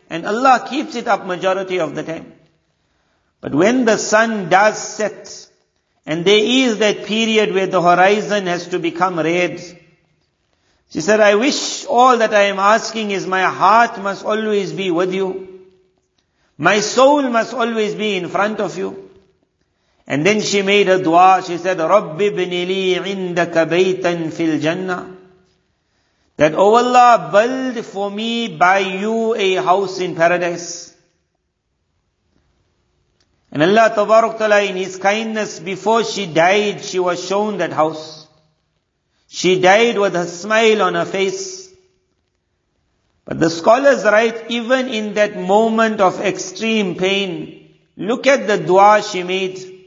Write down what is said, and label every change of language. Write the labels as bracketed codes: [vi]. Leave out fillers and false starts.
[en] And Allah keeps it up majority of the time. But when the sun does set, and there is that period where the horizon has to become red, she said, I wish all that I am asking is my heart must always be with you. My soul must always be in front of you. And then she made a dua. She said, [ar] رَبِّ بِنِ لِي عِنْدَكَ بَيْتًا فِي الْجَنَّةِ. [en] That, O Allah, build for me by you a house in paradise. And Allah Tabarak Ta'ala in His kindness, before she died, she was shown that house. She died with a smile on her face. But the scholars write, even in that moment of extreme pain, look at the dua she made.